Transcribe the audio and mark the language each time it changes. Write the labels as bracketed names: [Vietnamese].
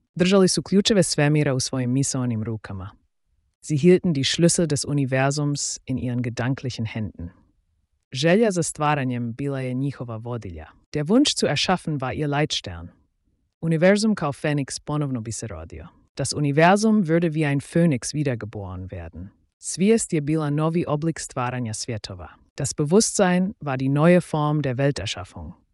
[Croatian] Držali su ključeve svemira u svojim misaonim rukama. [German] Sie hielten die Schlüssel des Universums in ihren gedanklichen Händen. [Croatian] Želja za stvaranjem bila je njihova vodilja. [German] Der Wunsch zu erschaffen war ihr Leitstern. [Croatian] Universum kao Phoenix ponovno bi se rodio. [German] Das Universum würde wie ein Phönix wiedergeboren werden. [Croatian] Svijest je bila novi oblik stvaranja svjetova. [German] Das Bewusstsein war die neue Form der Welterschaffung.